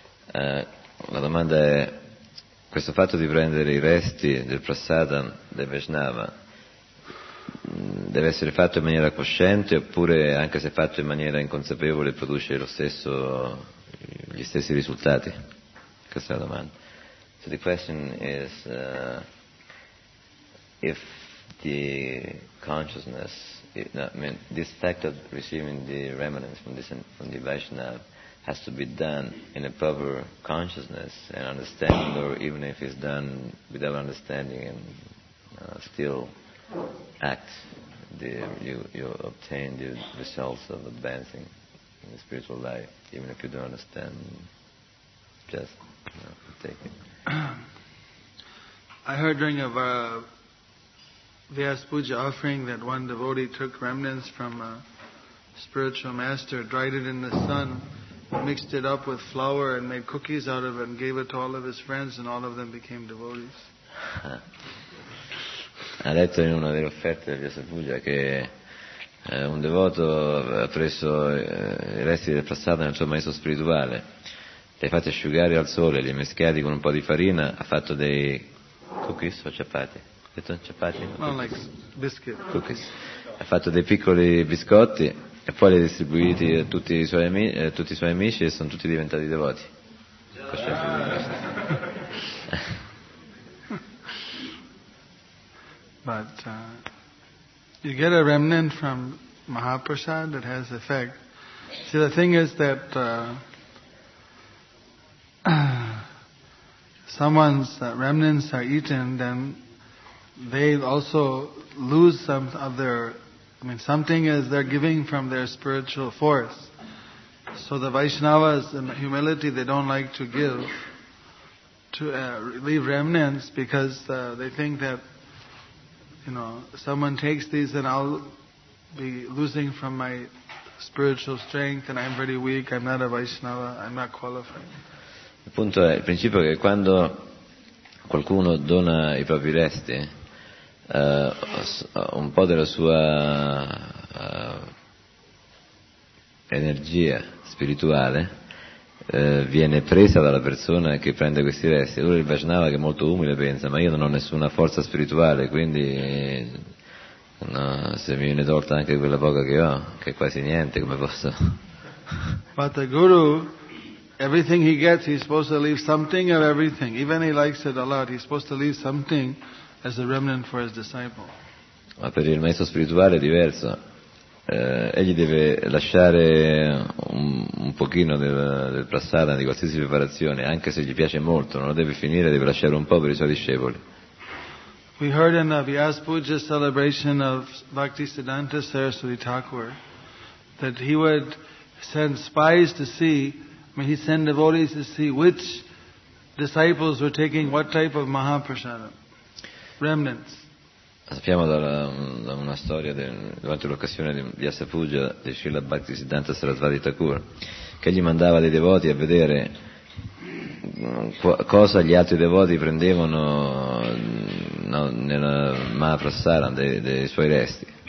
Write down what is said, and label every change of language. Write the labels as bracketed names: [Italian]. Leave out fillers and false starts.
[Italian] La domanda è, questo fatto di prendere i resti del prasada del Vaishnava deve essere fatto in maniera cosciente oppure anche se fatto in maniera inconsapevole produce gli stessi risultati? Questa è la domanda. [English] So the question is, if the consciousness, this fact of receiving the remnants from the Vaishnava has to be done in a proper consciousness and understanding, or even if it's done without understanding and still act, you obtain the results of advancing in the spiritual life, even if you don't understand, just take it. I heard during a Vyas Puja offering that one devotee took remnants from a spiritual master, dried it in the sun, mixed it up with flour and made cookies out of it and gave it to all of his friends and all of them became devotees. [Italian] Ha detto in una delle offerte di Vyas Puja che un devoto ha preso i resti del prasada nel suo maestro spirituale, li ha fatti asciugare al sole, li ha mischiati con un po' di farina, ha fatto dei cookies o chapati. Detto chapati, [English] like biscuit. Cookies. [Italian] Ha fatto dei piccoli biscotti e poi li ha distribuiti a tutti i suoi amici e sono tutti diventati devoti. [English] But you get a remnant from Mahaprasad that has effect. See, the thing is that someone's remnants are eaten, then they also lose some of their, I mean, something is they're giving from their spiritual force. So the Vaishnavas, in humility, they don't like to give, to leave remnants, because they think that, you know, someone takes these and I'll be losing from my spiritual strength and I'm very weak, I'm not a Vaishnava, I'm not qualified. [Italian] Appunto, il principio è che quando qualcuno dona i propri resti, un po' della sua energia spirituale viene presa dalla persona che prende questi resti. Allora il Vaishnava, che è molto umile, pensa: ma io non ho nessuna forza spirituale, quindi no, se mi viene tolta anche quella poca che ho, che è quasi niente, come posso? [English] But the guru, everything he gets, he's supposed to leave something of everything. Even he likes it a lot, he's supposed to leave something as a remnant for his disciple. [Italian] Ma per il maestro spirituale è diverso. Egli deve lasciare un pochino del prasada, di qualsiasi preparazione, anche se gli piace molto, non lo deve finire, deve lasciare un po' per i suoi discepoli. [English] We heard in the Vyas Puja celebration of Bhaktisiddhanta Saraswati Thakur that he would send spies to see, he sent devotees to see which disciples were taking what type of Mahaprasadam, remnants. [Italian] Sappiamo da una storia durante l'occasione di Vyasa Puja di Srila Bhaktisiddhanta Saraswati Thakur che gli mandava dei devoti a vedere cosa gli altri devoti prendevano nella Mahaprasadam dei suoi resti.